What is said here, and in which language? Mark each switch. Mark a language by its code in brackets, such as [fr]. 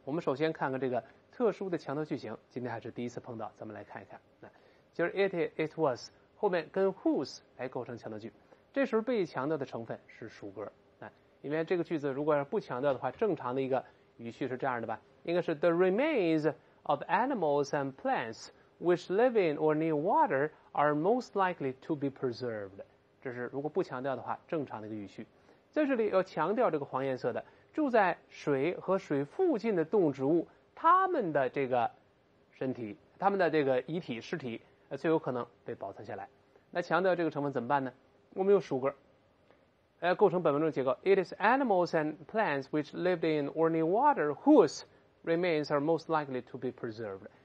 [zh] 我们首先看看这个特殊的强调句型，今天还是第一次碰到，咱们来看一看。那就是 it was 后面跟 whose 来构成强调句，这时候被强调的成分是属格啊。因为这个句子如果要是不强调的话，正常的一个语序是这样的吧？应该是 [en] the remains of animals and plants which live in or near water are most likely to be preserved。 [zh] 这是如果不强调的话，正常的一个语序。在这里要强调这个黄颜色的住在水和水附近的动物植物，它们的这个身体，它们的这个遗体尸体最有可能被保存下来。那强调这个成分怎么办呢？我们用属格构成本文中的结构。 [en] It is animals and plants which lived in or near water whose remains are most likely to be preserved。